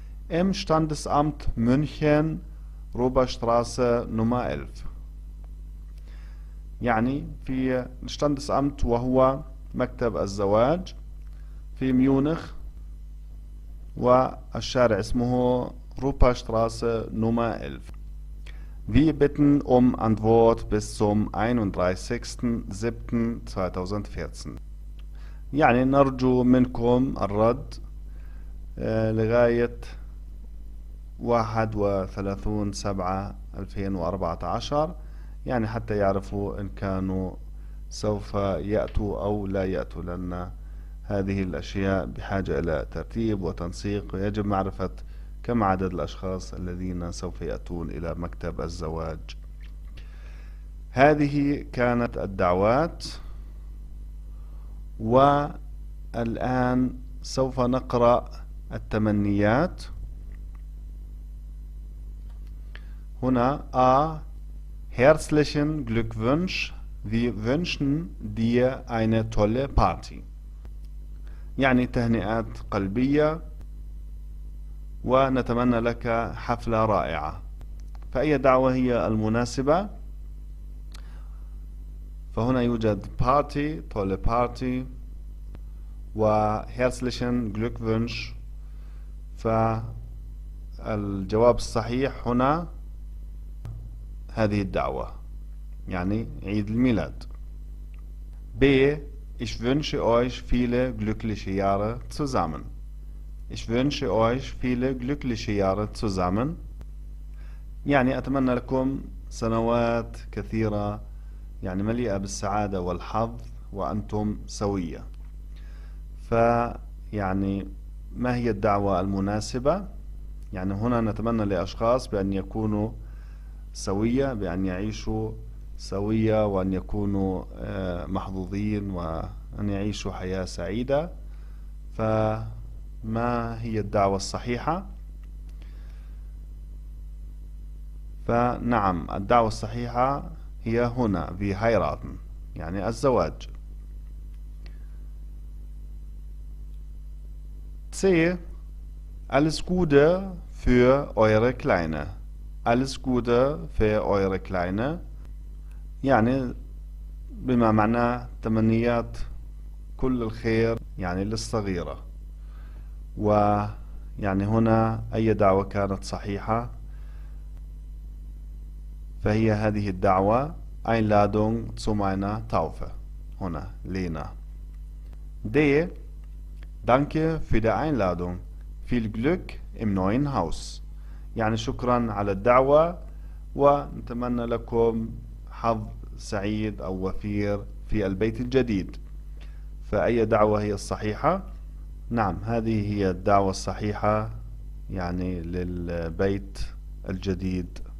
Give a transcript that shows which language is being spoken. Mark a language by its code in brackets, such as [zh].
[de] Im Standesamt München Ruberstraße Nummer 11، [ar] يعني في Standesamt وهو مكتب الزواج في ميونخ والشارع اسمه روبا شتراسة نمرة 11. [de] Wir bitten um Antwort bis zum 31.07.2014. [ar] يعني نرجو منكم الرد لغاية 31/7/2014، يعني حتى يعرفوا إن كانوا سوف يأتوا أو لا يأتوا، لأن هذه الأشياء بحاجة إلى ترتيب وتنسيق، ويجب معرفة كم عدد الأشخاص الذين سوف يأتون إلى مكتب الزواج. هذه كانت الدعوات، والآن سوف نقرأ التمنيات. هنا [de] A herzlichen Glückwunsch. Wir wünschen dir eine tolle Party. [ar] يعني تهنئات قلبية، ونتمنى لك حفلة رائعة. فأي دعوة هي المناسبة؟ فهنا يوجد [de] party, tolle party [ar] و [de] herzlichen Glückwunsch. [ar] فالجواب الصحيح هنا هذه الدعوة، يعني عيد الميلاد. [de] B Ich wünsche euch viele glückliche Jahre zusammen. Ich wünsche euch viele glückliche Jahre zusammen. [ar] يعني أتمنى لكم سنوات كثيرة، يعني مليئة بالسعادة والحظ وأنتم سوية. فيعني ما هي الدعوة المناسبة؟ يعني هنا نتمنى لأشخاص بأن يكونوا سوية، بأن يعيشوا سوية، وأن يكونوا محظوظين، وأن يعيشوا حياة سعيدة. ف ما هي الدعوة الصحيحة؟ فنعم، الدعوة الصحيحة هي هنا في هايراتن، يعني الزواج. [de] C Alles Gute für eure Kleine. Alles Gute für eure Kleine. [ar] يعني بما معنى تمنيات كل الخير يعني للصغيرة. ويعني هنا أي دعوة كانت صحيحة فهي هذه الدعوة [de] Einladung zu meiner Taufe. [ar] هنا لينا. [de] D Danke für die Einladung. Viel Glück im neuen Haus. [ar] يعني شكرا على الدعوة، ونتمنى لكم حظ سعيد أو وفير في البيت الجديد. فأي دعوة هي الصحيحة؟ نعم، هذه هي الدعوة الصحيحة يعني للبيت الجديد.